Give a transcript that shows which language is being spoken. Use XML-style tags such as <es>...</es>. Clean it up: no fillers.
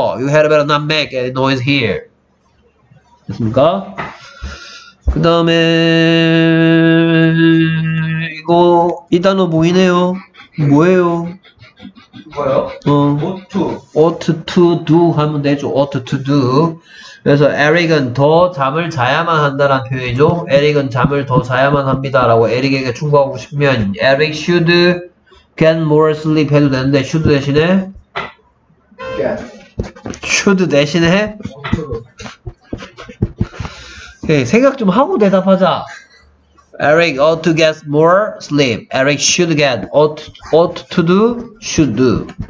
<en>You had better not make any noise here.</en> <ko>됐습니까? 그 다음에 이거 이 단어 보이네요. 뭐예요? 뭐요?</ko> <en>ought to do</en> <ko>하면 되죠.</ko> <en>ought to do.</en> <ko>그래서 에릭은 더 잠을 자야만 한다라는 표현이죠. 에릭은 잠을 더 자야만 합니다라고 에릭에게 충고하고 싶으면 에릭</ko> <en>should get more sleep</en> <ko>해도 되는데 should 대신에</ko> <en>get.</en> <ko>should 대신에</ko> <en>ought to.</en> <ko>네, 생각 좀 하고 대답하자.</ko> <en>Eric ought to get more sleep. Eric should get ought to do should do.</en>